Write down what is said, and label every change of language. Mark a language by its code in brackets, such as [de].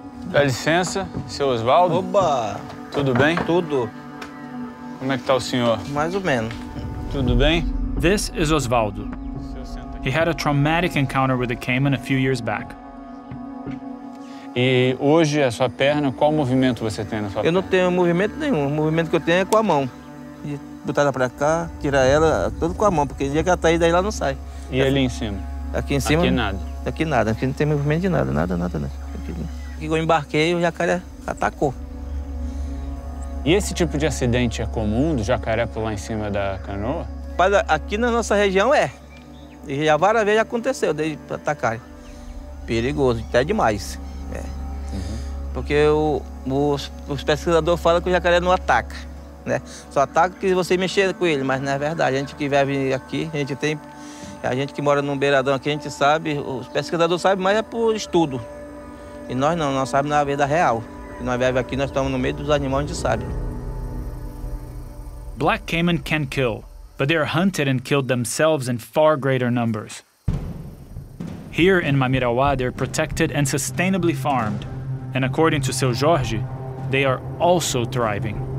[pt] Dá licença, seu Osvaldo. Oba! Tudo bem? Tudo. Como é que tá o senhor? Mais ou menos. Tudo bem? [en] This is Osvaldo. He had a traumatic encounter with a caiman a few years back. [pt] E hoje, a sua perna, qual movimento você tem na sua perna? Eu não tenho movimento nenhum. O movimento que eu tenho é com a mão. E botar ela pra cá, tirar ela, tudo com a mão, porque o dia que ela tá aí, daí ela não sai. E ali em cima? Aqui em cima? Aqui nada. Aqui nada. Aqui não tem movimento de nada. Nada, nada, nada. Aqui eu embarquei, o jacaré atacou. E esse tipo de acidente é comum, do jacaré pular em cima da canoa? Mas aqui na nossa região é. E já várias vezes aconteceu, desde atacar. Perigoso, até demais. É. Uhum. Porque os pesquisadores falam que o jacaré não ataca. Né? Só ataca se você mexer com ele, mas não é verdade. A gente que vive aqui, a gente que mora num beiradão aqui, a gente sabe, os pesquisadores sabem, mas é por estudo. E nós não, nós sabemos na vida real. E nós vivemos aqui, nós estamos no meio dos animais, a gente sabe. [en] Black caiman can kill, but they are hunted and killed themselves in far greater numbers. Here in Mamirauá, they're protected and sustainably farmed. And according to Seu Jorge, they are also thriving.